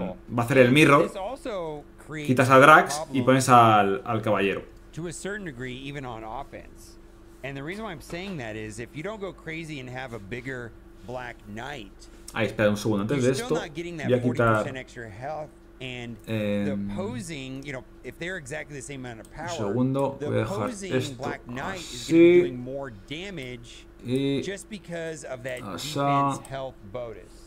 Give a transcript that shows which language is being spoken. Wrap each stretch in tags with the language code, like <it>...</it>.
<es>Va a hacer el Mirror. Quitas a Drax y pones al Caballero.</es> <en>To a certain degree, even on offense. And the reason why I'm saying that is if you don't go crazy and have a bigger Black Knight,</en> <es>ay, espera un segundo antes de esto, voy a quitar 40%</es> <en>extra health and the posing, you know, if they're exactly the same amount of power,</en> <es>un segundo, voy a dejar esto Black Knight así.</es> <en>Is gonna be doing more damage just because of that defense health bonus.</en>